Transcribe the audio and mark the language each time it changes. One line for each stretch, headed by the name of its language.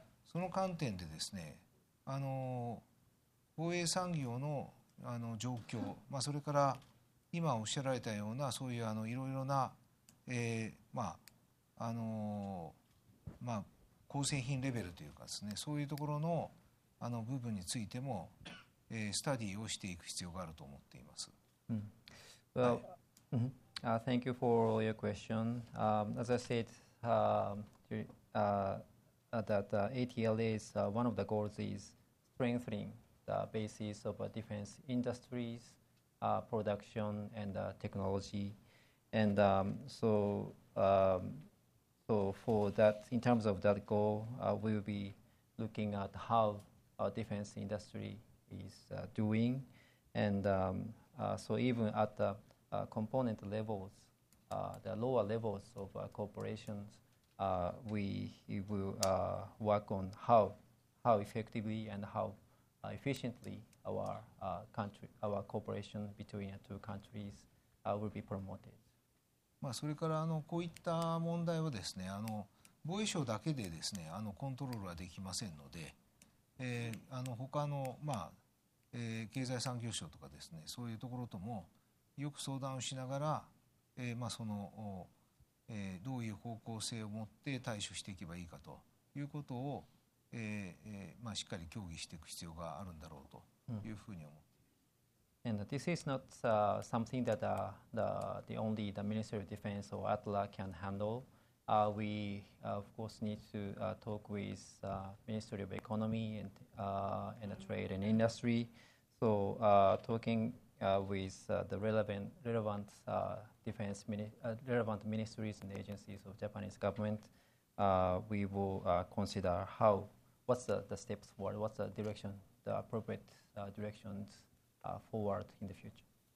Japanese: その観点でですね防衛産業の状況、まあ、それから今おっしゃられたようなそういういろいろな構成品レベルというかですね、そういうところの部分についても、スタディをしていく必要があると思っています。
English: Well, thank you for your question. As I said, ATLA is one of the goals is strengthening the basis of defense industries, production and technology. And so for that, in terms of that goal, we'll be looking at how our defense industry is doing. And so even at the component levels, the lower levels of corporations, we will work on how effectively and how efficiently our country, our cooperation between the two countries will be promoted.
Japanese: まあ、それからあのこういった問題はですね、あの防衛省だけでですね、あのコントロールはできませんので、あの他の、まあ経済産業省とかですね、そういうところともよく相談をしながら、まあそのどういう方向性を持って対処していけばいいかということを、まあしっかり協議していく必要があるんだろうというふうに思っています。
English: And this is not something that the only the Ministry of Defense or ATLA can handle. We of course need to talk with Ministry of Economy and Trade and Industry. So talking with the relevant defense relevant ministries and agencies of Japanese government, we will consider how what's the steps forward, what's the direction, the appropriate directions forward in the future.